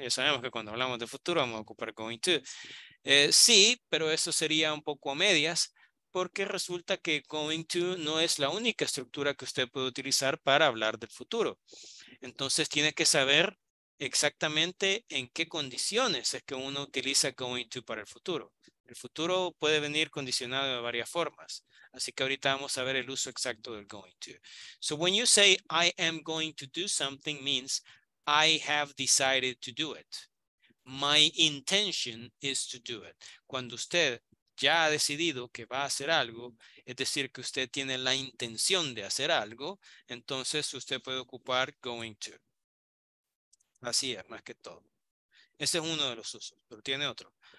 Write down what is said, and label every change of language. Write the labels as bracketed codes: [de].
[es] Ya sabemos que cuando hablamos de futuro vamos a ocupar going to. Sí, pero eso sería un poco a medias, porque resulta que going to no es la única estructura que usted puede utilizar para hablar del futuro. Entonces tiene que saber exactamente en qué condiciones es que uno utiliza going to para el futuro. El futuro puede venir condicionado de varias formas. Así que ahorita vamos a ver el uso exacto del going to. [en] So when you say I am going to do something means I have decided to do it. My intention is to do it. [es] Cuando usted ya ha decidido que va a hacer algo, es decir, que usted tiene la intención de hacer algo, entonces usted puede ocupar going to. Así es, más que todo. Ese es uno de los usos, pero tiene otro.